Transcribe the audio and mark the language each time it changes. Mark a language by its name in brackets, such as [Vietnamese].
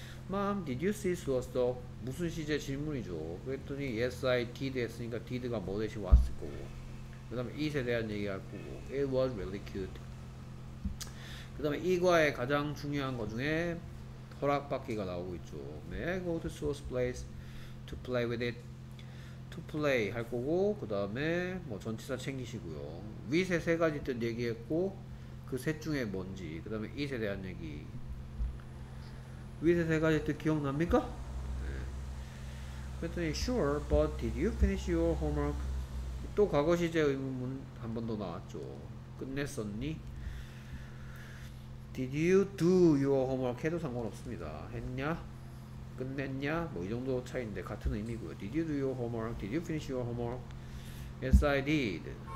[English] Mom, did you see Suho's dog? [Korean] 무슨 시제 질문이죠. 그랬더니 [English] Yes, I did [Korean] 했으니까 did가 뭐 대신 왔을 거고. 그 다음에 it에 대한 얘기할 거고 [English] it was really cute. [Korean] 그 다음에 이과의 가장 중요한 것 중에 허락받기가 나오고 있죠. [English] May I go to Suho's place to play with it? [Korean] To play 할 거고 그 다음에 뭐 전치사 챙기시고요. with의 세 가지 뜻 얘기했고 그 셋 중에 뭔지 그 다음에 it에 대한 얘기 with의 세 가지 뜻 기억납니까? 네. 그랬더니 [English] sure but did you finish your homework? [Korean] 또 과거 시제 의문문 한 번 더 나왔죠. 끝냈었니? [English] Did you do your homework? [Korean] 해도 상관없습니다. 했냐? 끝냈냐? 뭐 이 정도 차이인데 같은 의미고요. [English] Did you do your homework? Did you finish your homework? Yes, I did.